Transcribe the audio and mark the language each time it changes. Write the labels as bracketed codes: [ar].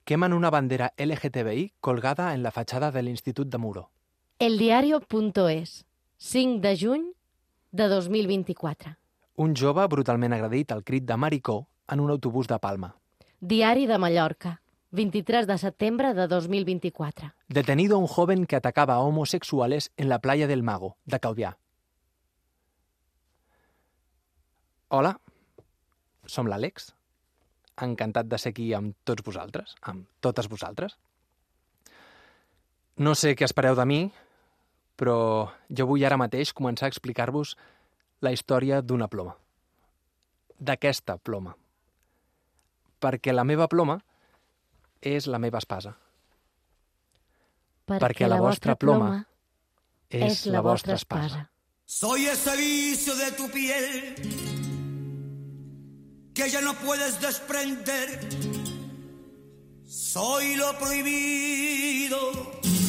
[es] Queman una bandera LGTBI colgada en la fachada de l'Institut de Muro. [ca] Eldiario.es, 5 de juny de 2024. Un jove brutalment agredit al crit de maricó en un autobús de Palma. Diari de Mallorca, 23 de setembre de 2024. [es] Detenido un joven que atacaba a homosexuales en la playa del Mago, de Calvià. [ca] Hola, som l'Àlex. Encantat de ser aquí amb tots vosaltres, amb totes vosaltres. No sé què espereu de mi, però jo vull ara mateix començar a explicar-vos la història d'una ploma. D'aquesta ploma. Perquè la meva ploma és la meva espasa. Perquè la vostra ploma és la vostra espasa. [es] Soy ese vicio de tu piel que ya no puedes desprender. Soy lo prohibido.